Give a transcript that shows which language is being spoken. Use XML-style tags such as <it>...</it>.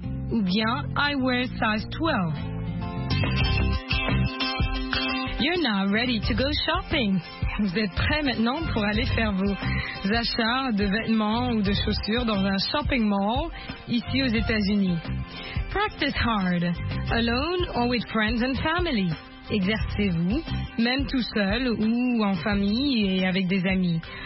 <fr>Ou bien,</fr> <en>I wear size 12. You're now ready to go shopping.</en> <fr>Vous êtes prêt maintenant pour aller faire vos achats de vêtements ou de chaussures dans un shopping mall ici aux États-Unis.</fr> <en>Practice hard, alone or with friends and family.</en> <fr>Exercez-vous, même tout seul ou en famille et avec des amis.</fr>